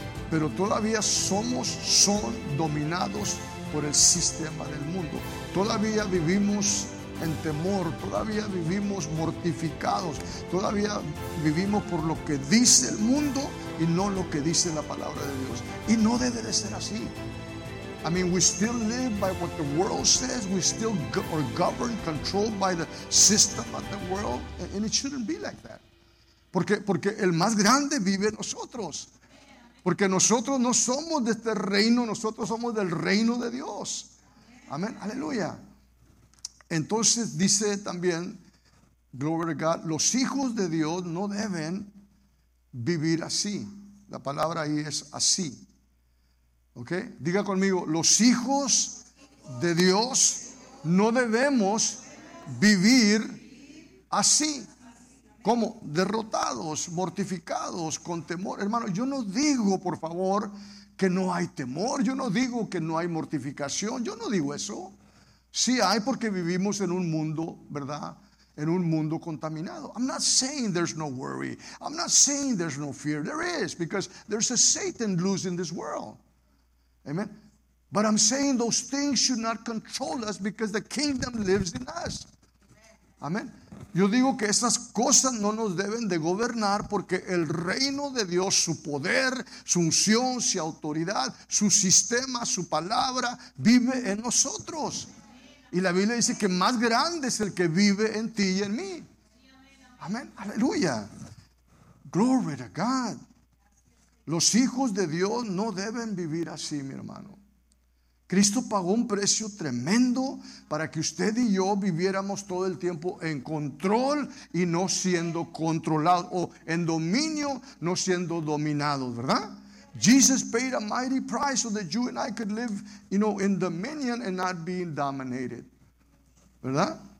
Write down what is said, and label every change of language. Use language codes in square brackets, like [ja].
[es] Pero todavía son dominados por el sistema del mundo. Todavía vivimos en temor. Todavía vivimos mortificados. Todavía vivimos por lo que dice el mundo y no lo que dice la palabra de Dios. Y no debe de ser así. [en] I mean, we still live by what the world says. We still are governed, controlled by the system of the world. And it shouldn't be like that. [es] Porque el más grande vive en nosotros. Porque nosotros no somos de este reino. Nosotros somos del reino de Dios. Amén. Aleluya. Entonces dice también, [en] glory to God, [es] los hijos de Dios no deben vivir así. La palabra ahí es así. Okay, diga conmigo, los hijos de Dios no debemos vivir así, como derrotados, mortificados, con temor. Hermano, yo no digo, por favor, que no hay temor, yo no digo que no hay mortificación, yo no digo eso. Sí hay, porque vivimos en un mundo, ¿verdad?, en un mundo contaminado. [en] I'm not saying there's no worry, I'm not saying there's no fear. There is, because there's a Satan loose in this world. Amen. But I'm saying those things should not control us, because the kingdom lives in us. [es] Amen. Yo digo que esas cosas no nos deben de gobernar, porque el reino de Dios, su poder, su unción, su autoridad, su sistema, su palabra, vive en nosotros. Y la Biblia dice que más grande es el que vive en ti y en mí. Amen. Aleluya. [en] Glory to God. [es] Los hijos de Dios no deben vivir así, mi hermano. Cristo pagó un precio tremendo para que usted y yo viviéramos todo el tiempo en control y no siendo controlados, o en dominio, no siendo dominados, ¿verdad? [en] Jesus paid a mighty price so that you and I could live, you know, in dominion and not being dominated, ¿verdad?